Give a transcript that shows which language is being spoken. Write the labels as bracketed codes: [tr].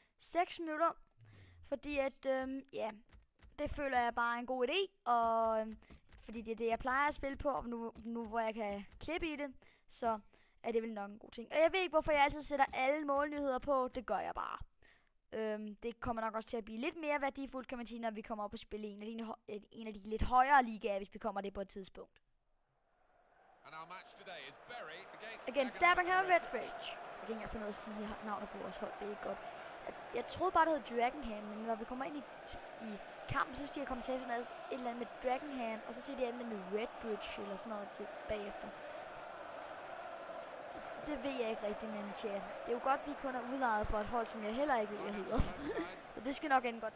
[da] 6 minutter, fordi at, ja, det føler jeg bare en god idé, og fordi det er det, jeg plejer at spille på, og nu hvor jeg kan klippe i det, så er det vel nok en god ting. Og jeg ved ikke, hvorfor jeg altid sætter alle målnyheder på, det gør jeg bare. Det kommer nok også til at blive lidt mere værdifuldt, kan man sige, når vi kommer op og spiller en af de lidt højere ligaer, hvis vi kommer det på et tidspunkt. [en] And our match today is Bury against Dagenham Redbridge. [da] Jeg kan ikke finde noget at sige navnet på vores hold, det er ikke godt. Jeg troede bare, det hed Dagenham, men når vi kommer ind i kampen, så siger jeg kommentatoren et eller andet med Dagenham, og så siger de andet med Redbridge eller sådan noget til bagefter. Det ved jeg ikke rigtig, men tja. Det er jo godt, at vi kun er udlejet for et hold, som jeg heller ikke ved, jeg hedder. Så det skal nok ende godt.